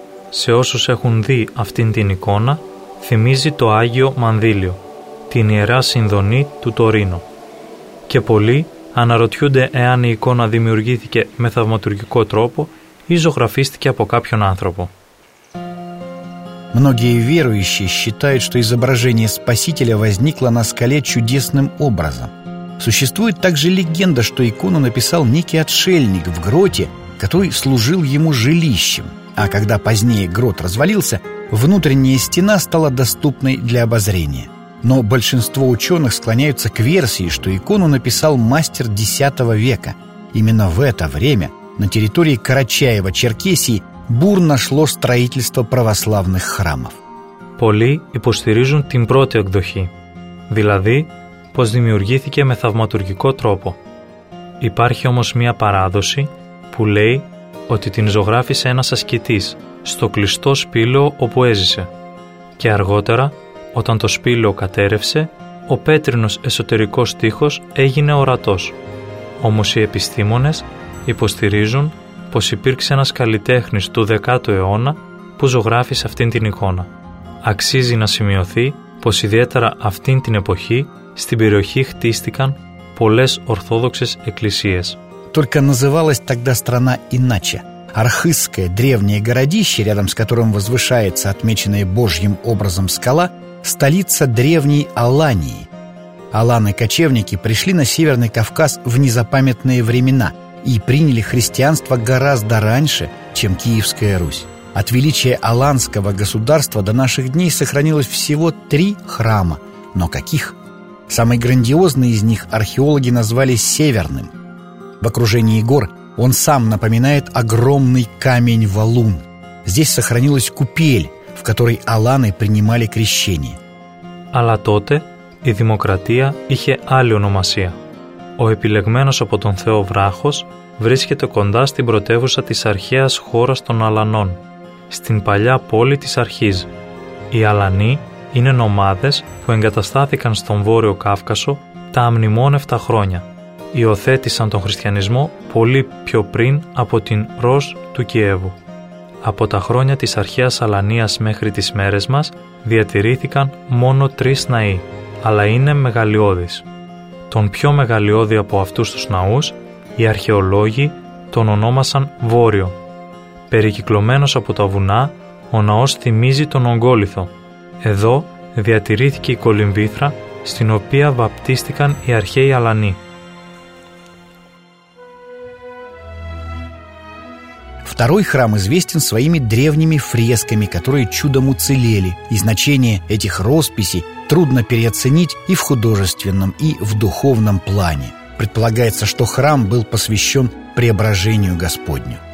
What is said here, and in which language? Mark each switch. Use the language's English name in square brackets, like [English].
[Greek] Σε όσους έχουν δει αυτήν την εικόνα, θυμίζει το Άγιο Μανδύλιο, την Ιερά Συνδονή του Τωρίνο. Και πολλοί αναρωτιούνται εάν η εικόνα δημιουργήθηκε με θαυματουργικό τρόπο ή ζωγραφίστηκε από κάποιον άνθρωπο. [Russian] Многие верующие считают, что изображение Спасителя возникло на скале чудесным образом. Существует также легенда, что икону написал некий отшельник в гроте, который служил ему жилищем. А когда позднее грот развалился, внутренняя стена стала доступной для обозрения. Но большинство ученых склоняются к версии, что икону написал мастер X века. Именно в это время на территории Карачаева-Черкесии бурно шло строительство православных храмов. [Greek] Πολλοί υποστηρίζουν την πρώτη εκδοχή, δηλαδή πως δημιουργήθηκε με θαυματουργικό τρόπο. Υπάρχει όμως μία παράδοση που λέει ότι την ζωγράφισε ένας ασκητής στο κλειστό σπήλαιο όπου έζησε. Και αργότερα, όταν το σπήλαιο κατέρευσε, ο πέτρινος εσωτερικός στίχος έγινε ορατός. Όμως οι επιστήμονες υποστηρίζουν πως υπήρξε ένας καλλιτέχνης του 10ου αιώνα που ζωγράφισε αυτήν την εικόνα. Αξίζει να σημειωθεί πως ιδιαίτερα αυτήν την εποχή στην περιοχή χτίστηκαν πολλές ορθόδοξες εκκλησίες. [Russian] Только называлась тогда страна иначе. Архызское древнее городище, рядом с которым возвышается отмеченная Божьим образом скала, столица древней Алании. Аланы-кочевники пришли на Северный Кавказ в незапамятные времена и приняли христианство гораздо раньше, чем Киевская Русь. От величия аланского государства до наших дней сохранилось всего 3 храма. Но каких? Самый грандиозный из них археологи назвали Северным. В окружении гор он сам напоминает огромный камень-валун. Здесь сохранилась купель, в которой аланы принимали крещение. [Greek] Αλλά [Russian] тогда и демократия [Greek] είχε άλλη ονομασία. Ο επιλεγμένος από τον Θεό βράχος βρίσκεται κοντά στην πρωτεύουσα της αρχαίας χώρας των Αλανών, στην παλιά πόλη της Αρχής. Οι Αλανοί είναι νομάδες που εγκαταστάθηκαν στον Βόρειο Κάυκασο τα αμνημόνευτα χρόνια. Υιοθέτησαν τον χριστιανισμό πολύ πιο πριν από την Ρος του Κιέβου. Από τα χρόνια της αρχαίας Αλανίας μέχρι τις μέρες μας διατηρήθηκαν μόνο 3 ναοί, αλλά είναι μεγαλειώδεις. Τον πιο μεγαλειώδη από αυτούς τους ναούς, οι αρχαιολόγοι τον ονόμασαν Βόρειο. Περικυκλωμένος από τα βουνά, ο ναός θυμίζει τον Ογκόλιθο. Εδώ διατηρήθηκε η κολυμβήθρα, στην οποία βαπτίστηκαν οι αρχαίοι Αλανοί. [Russian] Второй храм известен своими древними фресками, которые чудом уцелели, и значение этих росписей трудно переоценить и в художественном, и в духовном плане. Предполагается, что храм был посвящен преображению Господню.